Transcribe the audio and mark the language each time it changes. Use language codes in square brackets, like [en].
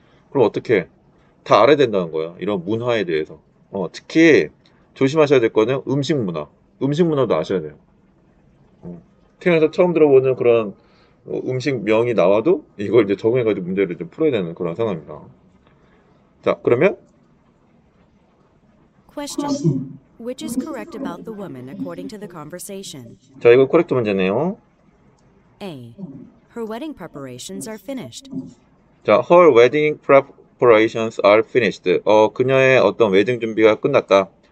[ko] 그럼 어떻게 다 알아야 된다는 거야? 이런 문화에 대해서. 특히 조심하셔야 될 거는 음식 문화. 음식 문화도 아셔야 돼요. 태어나서 처음 들어보는 그런 음식 명이 나와도 이걸 이제 적응해가지고 문제를 좀 풀어야 되는 그런 상황입니다. 자, 그러면. [en] Question. Which is correct about the woman according to the conversation? [ko] 자, 이거 코렉트 문제네요. [en] A. Her wedding preparations are finished. 자, her wedding preparations are finished. [ko] 그녀의 어떤 웨딩 준비가 끝났다.